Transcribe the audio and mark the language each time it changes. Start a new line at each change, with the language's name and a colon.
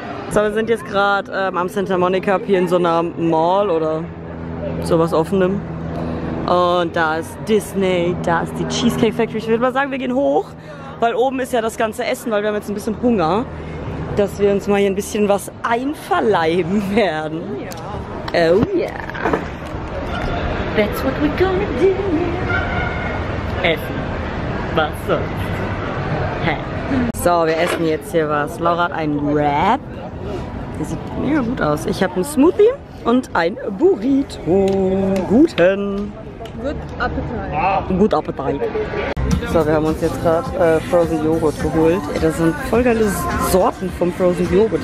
German: So, wir sind jetzt gerade am Santa Monica Pier in so einer Mall oder sowas offenem. Und da ist Disney, da ist die Cheesecake Factory. Ich würde mal sagen, wir gehen hoch, weil oben ist ja das ganze Essen, weil wir haben jetzt ein bisschen Hunger, dass wir uns mal hier ein bisschen was einverleiben werden. Oh ja.
English: Oh yeah. That's what we're gonna do.
German: Essen. Was sonst? Hä? So, wir essen jetzt hier was. Laura hat einen Wrap. Der sieht mega gut aus. Ich habe einen Smoothie und ein Burrito. Guten.
English: Good Appetit. Good Appetit.
German: So, wir haben uns jetzt gerade Frozen Joghurt geholt. Ey, das sind voll geile Sorten vom Frozen Joghurt.